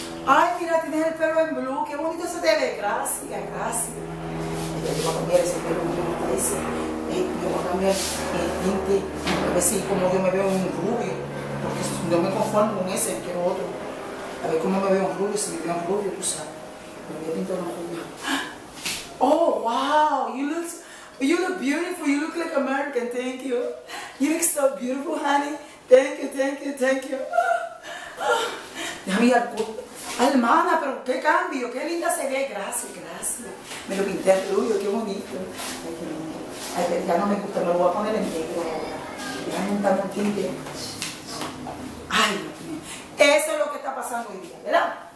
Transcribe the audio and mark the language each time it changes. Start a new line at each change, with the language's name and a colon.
Spanish: Ay, mira, tienes el pelo en blue, qué bonito se te ve. Gracias, gracias. Yo voy a cambiar ese pelo, me gusta ese. Yo voy a cambiar el tinte, a ver si como yo me veo en un rubio. Porque no me conformo con ese, quiero otro. A ver cómo me veo en rubio, si me veo en rubio, tú sabes. Me voy a pintar un rubio.
English: Oh, wow, you look beautiful, you look like American, thank you. You look so beautiful, honey. Thank you, thank you, thank you.
Spanish: Déjame ir al pueblo. Hermana, pero qué cambio, qué linda se ve. Gracias, gracias. Me lo pinté al rubio, qué bonito. Ay, qué lindo. Ay, pero ya no me gusta, me lo voy a poner en negro ahora. Ya no está con tinte. Ay, eso es lo que está pasando hoy día, ¿verdad?